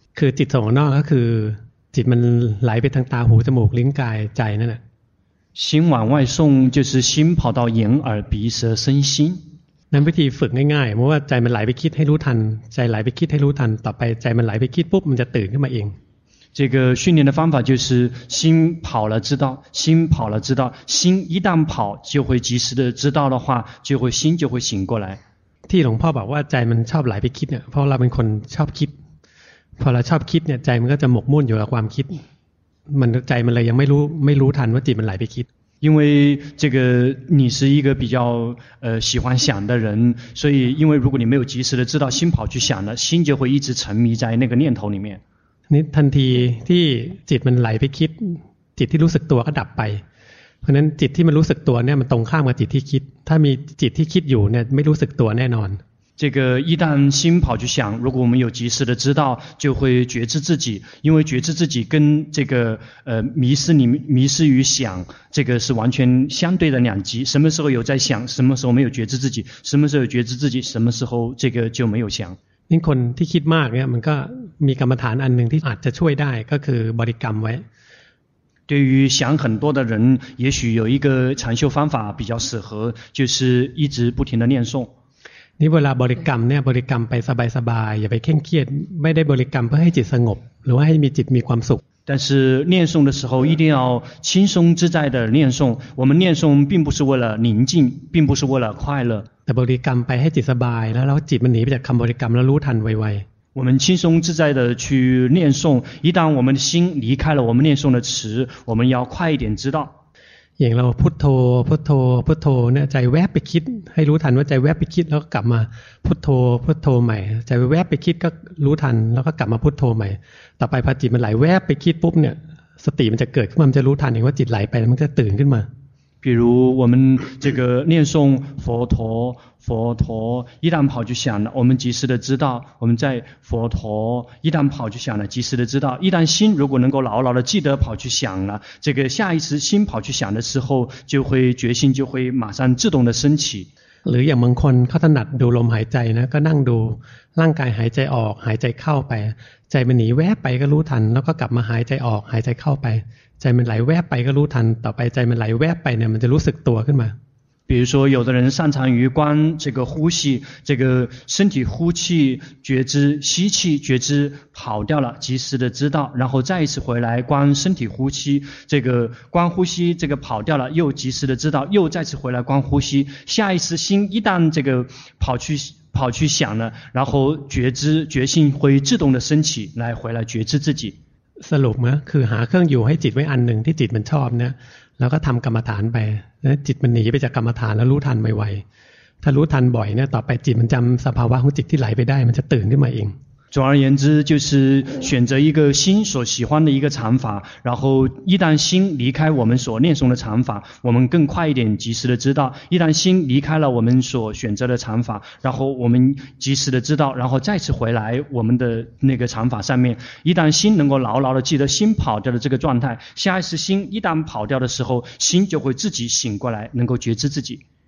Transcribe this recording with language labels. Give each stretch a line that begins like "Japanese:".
Thai: คือจิตส่งออกนอกก็คือจิตมันไหลไปทางตาหูจมูกลิ้นกายใจนั่นแหละ
Chinese: 心往外送就是心跑到眼耳鼻舌身心
Thai: นั่นวิธีฝึกง่ายๆเพราะว่าใจมันไหลไปคิดให้รู้ทันใจไหลไปคิดให้รู้ทันต่อไปใจมันไหลไปคิดปุ๊บมันจะตื่นขึ้นมาเอง
Chinese: 这个训练的方法就是心跑了知道心跑了知道心一旦跑就会及时的知道的话就会心就会醒过来
Thai: ที่หลวงพ่อบอกว่าใจมันชอบไหลไปคิดเนี่ยเพราะเราเป็นคนชอบคิดพอเราชอบคิดเนี่ยใจมันก็จะหมกมุ่นอยู่กับความคิดมันใจมันเลยยังไม่รู้ทันว่าจิตมันไหลไปคิด
Chinese: 因为这个你是一个比较喜欢想的人，所以因为如果你没有及时的知道心跑去想了，心就会一直沉迷在那个念头里面。
Thai: นี่ทันทีที่จิตมันไหลไปคิดจิตที่รู้สึกตัวก็ดับไปเพราะนั้นจิตที่มันรู้สึกตัวเนี่ยมันตรงข้ามกับจิตที่คิดถ้ามีจิตที่คิดอยู่เนี่ยไม่รู้สึกตัวแน่นอน
Chinese: 这个一旦心跑去想，如果我们有及时的知道，就会觉知自己，因为觉知自己跟这个迷失于想，这个是完全相对的两极。什么时候有在想，什么时候没有觉知自己，什么时候有觉知自己，什么时候这个就没有想。
Thai: นี่คนที่คิดมากเนี่ยมันก็มีกรรมฐานอันหนึ่งที่อาจจะช่วยได้ก็คือบริกรรมไว้
Chinese: 对于想很多的人，也许有一个禅修方法比较适合，就是一直不停的念诵。
Thai: นี่เวลาบริกรรมเนี่ยบริกรรมไปสบายๆอย่าไปเคร่งเครียดไม่ได้บริกรรมเพื่อให้จิตสงบหรือว่าให้มีจิตมีความสุข
Chinese: 但是念诵的时候一定要轻松自在的念诵我们念诵并不是为了宁静并不是为了快乐
Thai: แต่บริกรรมไปให้จิตสบายแล้วจิตมันหนีไปจากคำบริกรรมแล้วรู้ทันไว
Chinese: ๆ我们轻松自在的去念诵一旦我们的心离开了我们念诵的词我们要快一点知道
Thai: อย่างเราพุทโธพุทโธพุทโธเนี่ยใจแวบไปคิดให้รู้ทันว่าใจแวบไปคิดแล้วก็กลับมาพุทโธพุทโธใหม่ใจแวบไปคิดก็รู้ทันแล้วก็กลับมาพุทโธใหม่ต่อไปพอจิตมันไหลแวบไปคิดปุ๊บเนี่ยสติมันจะเกิดขึ้นมันจะรู้ทันเองว่าจิตไหลไปมันก็ตื่นขึ้นมา
Chinese: 比如我们这个念诵佛陀佛陀一旦跑去想了我们及时的知道我们在佛陀一旦跑去想了及时的知道一旦心如果能够牢牢的记得跑去想了这个下一次心跑去想的时候就会决心就会马上自动的升起
Thai: หรืออย่างบางคนเขาถนัดดูลมหายใจนะก็นั่งดูร่างกายหายใจออกหายใจเข้าไปใจมันหนีแวบไปก็รู้ทันแล้วก็กลับมาหายใจออกหายใจเข้าไปใจมันไหลแวบไปก็รู้ทันต่อไปใจมันไหลแวบไปเนี่ยมันจะรู้สึกตัวขึ้นมา
Chinese: 比如说有的人擅长于观这个呼吸这个身体呼气觉知吸气觉知跑掉了及时的知道然后再一次回来观身体呼吸这个观呼吸这个跑掉了又及时的知道又再次回来观呼吸下一次心一旦这个跑去想了然后觉知觉性会自动的升起来回来觉知自己
Thai: สรุปนะคือหาเครื่องอยู่ให้จิตไว้อันหนึ่งที่จิตมันชอบเนี่ยแล้วก็ทำกรรมฐานไปจิตมันหนีไปจากกรรมฐานแล้วรู้ทันไวๆถ้ารู้ทันบ่อยเนี่ยต่อไปจิตมันจำสภาวะของจิตที่ไหลไปได้มันจะตื่นขึ้นมาเอง
Chinese: 总而言之就是选择一个心所喜欢的一个禅法然后一旦心离开我们所念诵的禅法我们更快一点及时的知道一旦心离开了我们所选择的禅法然后我们及时的知道然后再次回来我们的那个禅法上面一旦心能够牢牢的记得心跑掉的这个状态下一次心一旦跑掉的时候心就会自己醒过来能够觉知自己